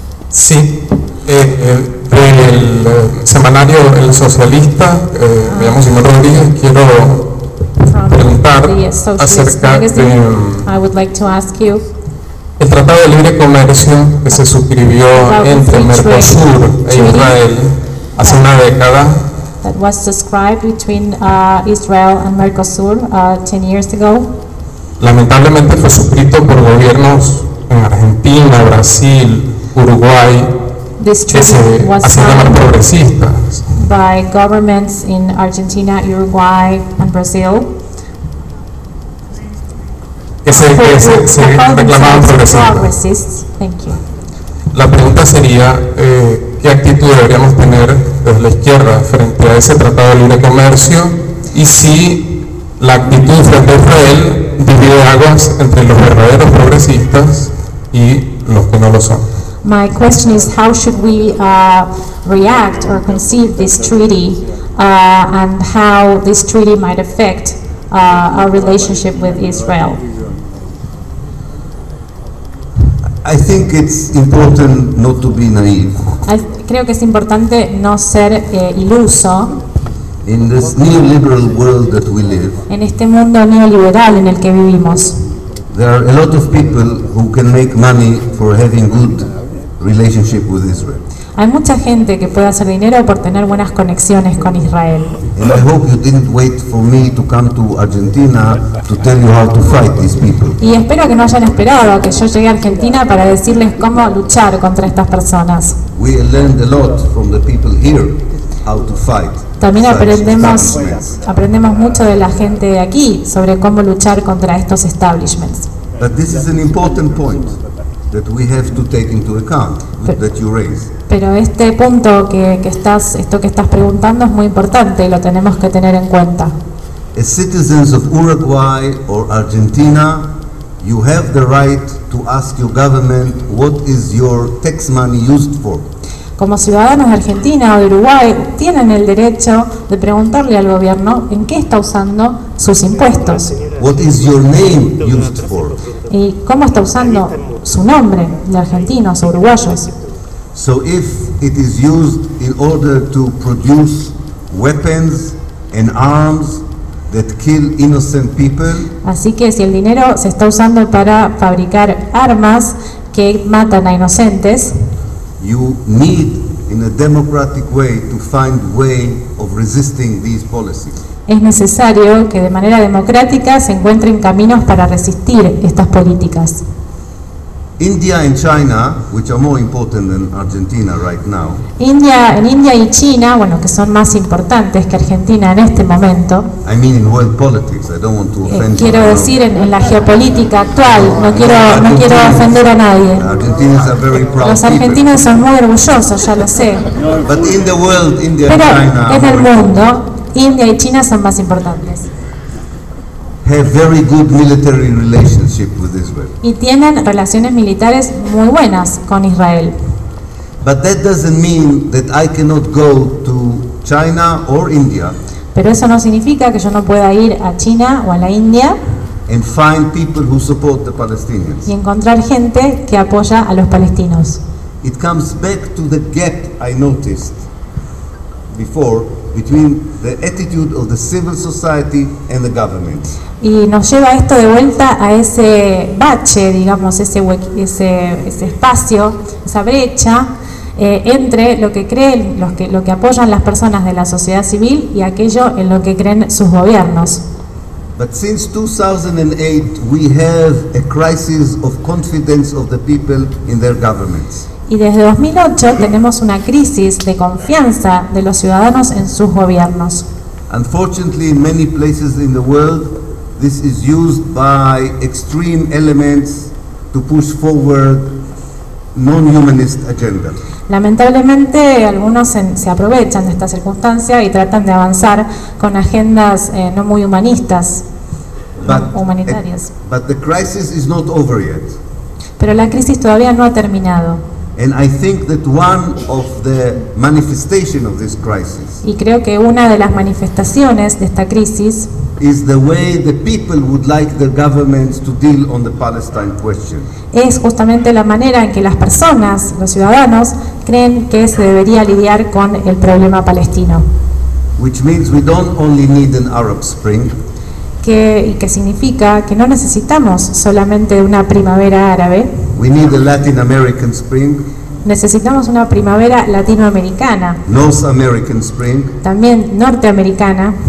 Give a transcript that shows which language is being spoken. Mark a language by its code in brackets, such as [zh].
[es] Sí, el semanario El Socialista, me llamo Simón Rodríguez, quiero preguntar acerca del Tratado de Libre Comercio que se suscribió entre Mercosur e Israel hace una década. [en] That was subscribed between Israel and Mercosur 10 years ago. [es] Lamentablemente fue suscrito por gobiernos en Argentina, Brasil, Uruguay, Haciendo progresistas. [en] By governments in Argentina, Uruguay, and Brazil. [es] Que se reclamaban progresistas. [en] Thank you. [es] La pregunta sería, ¿qué actitud deberíamos tener desde la izquierda frente a ese tratado de libre comercio? Y si la actitud frente a Israel divide aguas entre los verdaderos progresistas y los que no lo son. [en] My question is, how should we react or conceive this treaty and how this treaty might affect our relationship with Israel? I think it's important not to be naive. [es] Creo que es importante no ser iluso. [en] In this neoliberal world that we live, [es] en este mundo neoliberal en el que vivimos, [en] there are a lot of people who can make money for having good relationship with Israel. [es] Hay mucha gente que puede hacer dinero por tener buenas conexiones con Israel. [en] And I hope you didn't wait for me to come to Argentina to tell you how to fight these people. [es] Y espero que no hayan esperado que yo llegue a Argentina para decirles cómo luchar contra estas personas. [en] We learned a lot from the people here how to fight. [es] También aprendemos mucho de la gente de aquí sobre cómo luchar contra estos establishments. [en] But this is an important point that we have to take into account that you raise. [es] Pero este punto que estás preguntando es muy importante y lo tenemos que tener en cuenta. [en] As citizens of Uruguay or Argentina, you have the right to ask your government what is your tax money used for. [es] Como ciudadanos de Argentina o de Uruguay, tienen el derecho de preguntarle al gobierno en qué está usando sus impuestos. [en] What is your name used for? [es] ¿Y cómo está usando su nombre de argentinos o uruguayos? [en] So if it is used in order to produce weapons and arms that kill innocent people. [es] Así que si el dinero se está usando para fabricar armas que matan a inocentes, [en] you need in a democratic way to find way of resisting these policies. [es] Es necesario que de manera democrática se encuentren caminos para resistir estas políticas. [en] India and China, which are more important than Argentina right now. [es] India y China, bueno, que son más importantes que Argentina en este momento. [en] I mean in world politics. I don't want to offend. [es] Quiero decir en la geopolítica actual, no quiero ofender a nadie. [en] Argentinians are very proud. [es] Los argentinos son muy orgullosos, ya lo sé. [en] But in the world, India and China. [es] Pero en el mundo, India y China son más importantes. [en] Have very good military relationship with Israel. [es] Y tienen relaciones militares muy buenas con Israel. [en] But that doesn't mean that I cannot go to China or India. [es] Pero eso no significa que yo no pueda ir a China o a la India. [en] And find people who support the Palestinians. [es] Y encontrar gente que apoya a los palestinos. [en] It comes back to the gap I noticed before between the attitude of the civil society and the government. [es] Y nos lleva esto de vuelta a ese bache, digamos, ese espacio, esa brecha entre lo que creen lo que apoyan las personas de la sociedad civil y aquello en lo que creen sus gobiernos. [en] But since 2008 we have a crisis of confidence of the people in their governments. [es] y desde 2008 tenemos una crisis de confianza de los ciudadanos en sus gobiernos. [en] Unfortunately, in many places in the world, this is used by extreme elements to push forward non-humanist agenda. [es] Lamentablemente, algunos se aprovechan de esta circunstancia y tratan de avanzar con agendas no muy humanistas, humanitarias. [en] But the crisis is not over yet. [es] Pero la crisis todavía no ha terminado. [en] And I think that one of the manifestation of this crisis. [es] Y creo que una de las manifestaciones de esta crisis [en] is the way the people would like the governments to deal on the Palestine question. [es] Es justamente la manera en que las personas, los ciudadanos, creen que se debería lidiar con el problema palestino. [en] Which means we don't only need an Arab Spring. [es] Que significa que no necesitamos solamente una primavera árabe. [en] We need a Latin American Spring. [es] Necesitamos una primavera latinoamericana. [en] North American Spring. [es] También norteamericana.